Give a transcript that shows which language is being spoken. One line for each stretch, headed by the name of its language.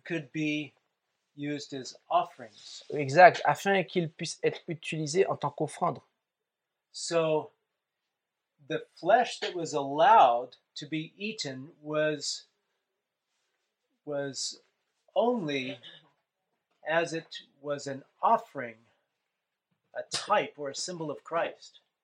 English: Could be used as offerings.
French: Exact. Afin qu'ils puissent être utilisés en tant qu'offrande.
English: So the flesh that was allowed to be eaten was only as it was an offering, a type or a symbol of Christ.